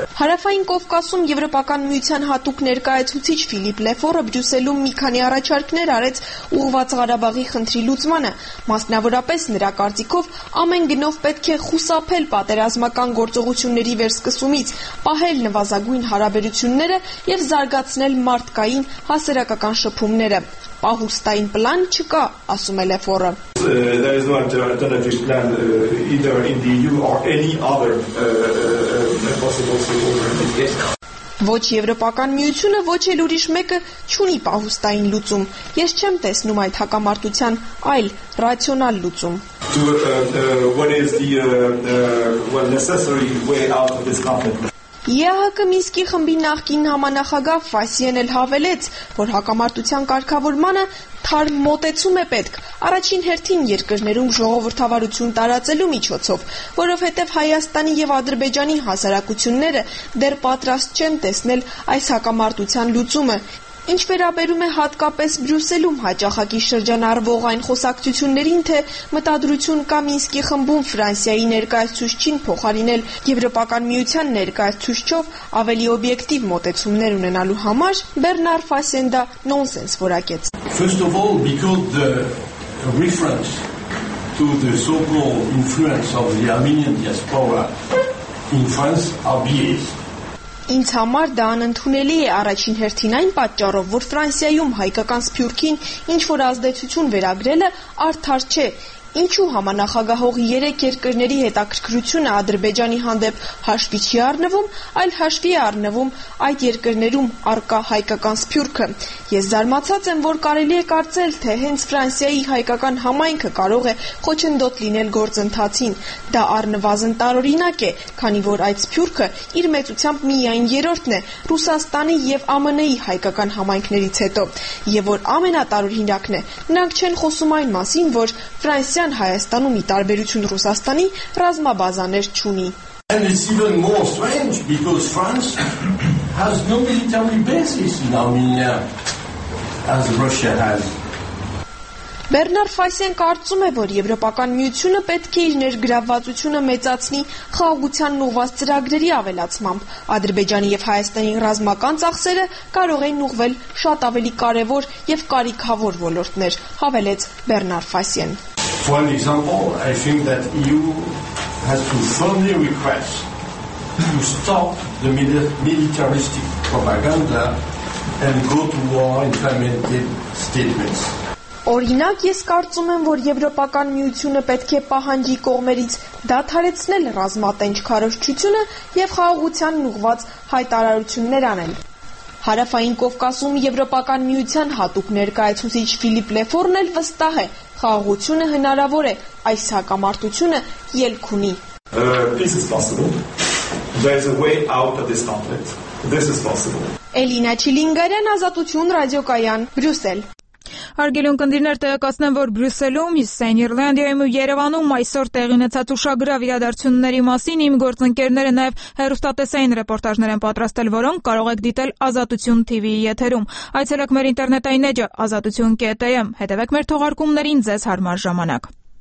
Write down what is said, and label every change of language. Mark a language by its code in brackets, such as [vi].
[hy] Հարավային Կովկասում Եվրոպական Միության հատուկ ներկայացուցիչ Ֆիլիպ Լեֆորը Բրյուսելում մի քանի առաջարկներ արեց ուղղված Ղարաբաղի խնդրի լուծմանը, մասնավորապես նրա կարծիքով ամեն գնով պետք է խուսափել պատերազմական գործողությունների վերսկսումից, պահել նվազագույն հարաբերությունները եւ զարգացնել մարդկային հասարակական շփումները։ Պահուստային պլան չկա, ասում է Լեֆորը։ [en] There is no alternative plan either in the EU or any other possible solution. [hy] Ոչ Եվրոպական Միությունը, ոչ էլ ուրիշ մեկը չունի պահուստային լուծում։ Ես չեմ տեսնում այդ հակամարտության այլ ռացիոնալ լուծում։ [en] What is the necessary way out of this conflict? [hy] ԵԱՀԿ Մինսկի խմբի նախկին համանախագահ Ֆասիեն էլ հավելեց, որ հակամարտության կարգավորմանը թարմ մոտեցում է պետք, առաջին հերթին երկրներում ժողովրդավարություն տարածելու միջոցով, որովհետև Հայաստանի եւ Ադրբեջանի հասարակությունները դեռ պատրաստ չեն տեսնել այս հակամարտության լուծումը։ Ինչ վերաբերում է հատկապես Բրյուսելում հաճախակի շրջանառվող այն խոսակցություններին, թե մտադրություն կա Մինսկի խմբում Ֆրանսիայի ներկայացուցչին փոխարինել Եվրոպական Միության ներկայացուցչով ավելի օբյեկտիվ մոտեցումներ ունենալու համար, Բերնար Ֆասենդա նոնսենս որակեց։ [en] First of all, because the reference to the so-called influence of the Armenian diaspora in France are BS. [hy] Ինձ համար դա անընդունելի է առաջին հերթին այն պատճառով, որ Ֆրանսիայում հայկական սփյուռքին ինչ-որ ազդեցություն վերագրելը արդար չէ։ Ինչու համանախագահողի երեք երկրների հետաքրքրությունը Ադրբեջանի հանդեպ հաշվի չի առնվում, այլ հաշվի է առնվում այդ երկրներում առկա հայկական սփյուռքը։ Ես զարմացած եմ, որ կարելի է կարծել, թե հենց Ֆրանսիայի հայկական համայնքը կարող է խոչընդոտ լինել գործընթացին։ Դա առնվազն տարօրինակ է, քանի որ այդ սփյուռքը իր մեծությամբ միայն երրորդն է Ռուսաստանի և ԱՄՆ-ի հայկական համայնքներից հետո, և որ ամենատարօրինակն է։ Նրանք չեն խոսում այն մասին, որ Ֆրանսիան Հայաստանում ի տարբերություն Ռուսաստանի ռազմաբազաներ չունի։ [en] And it's even more strange because France has no military bases in Armenia as Russia has. [hy] Բերնար Ֆասիեն կարծում է, որ Եվրոպական Միությունը պետք է իր ներգրավվածությունը մեծացնի խաղաղության ուղղված ծրագրերի ավելացմամբ։ Ադրբեջանի եւ Հայաստանի ռազմական ծախսերը կարող են ուղղվել շատ ավելի կարևոր եւ կարիքավոր ոլորտներ, հավելեց Բերնար Ֆասիեն։ [en] For an example, I think that EU has to firmly request to stop the militaristic propaganda and go to war in fermented statements. [hy] Օրինակ, ես կարծում եմ, որ Եվրոպական Միությունը պետք է պահանջի կողմերից դադարեցնել ռազմատենչ քարոշչությունը եւ խաղաղության ուղված հայտարարություններ անել։ Հարավային Կովկասում Եվրոպական Միության հատուկ ներկայացուցիչ Ֆիլիպ Լեֆորն էլ վստահ է, խաղաղությունը հնարավոր է, այս հակամարտությունը ելք ունի։ [en] This is possible. There is a way out of this conflict. This is possible. [hy] Էլինա Չիլինգարյան, Ազատություն ռադիոկայան, Բրյուսել։ Արգելյուն կնդիրներ, տեղեկացնեմ, որ Բրյուսելում, Սենիրլանդիայում ու Երևանում այսօր տեղի ունեցած ուշագրավ իրադարձությունների մասին իմ գործընկերները նաև հեռուստատեսային ռեպորտաժներ են պատրաստել, որոնք կարող եք դիտել Ազատություն TV-ի եթերում։ Այցելեք մեր ինտերնետային էջը azatutyun.am, հետևեք մեր թողարկումներին ձեզ հարմար ժամանակ։